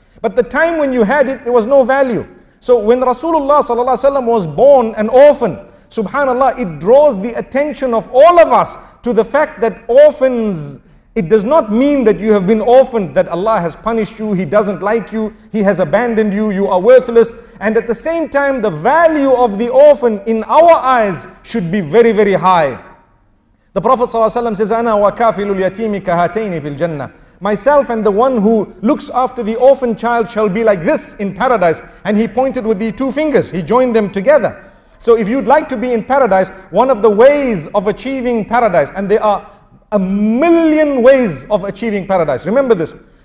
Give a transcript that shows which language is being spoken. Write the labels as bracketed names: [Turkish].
[English] But the time when you had it, there was no value. So when Rasulullah sallallahu alaihi wasallam was born an orphan, subhanallah, it draws the attention of all of us to the fact that orphans, it does not mean that you have been orphaned, that Allah has punished you, He doesn't like you, He has abandoned you, you are worthless. And at the same time, the value of the orphan in our eyes should be very, very high. The Prophet says, [Arabic] أَنَا وَكَافِلُ الْيَتِيمِكَ هَاتَيْنِ فِي الْجَنَّةِ. [English] Myself and the one who looks after the orphan child shall be like this in paradise. And he pointed with the two fingers, he joined them together. So if you'd like to be in paradise, one of the ways of achieving paradise, and there are a million ways of achieving paradise. Remember this.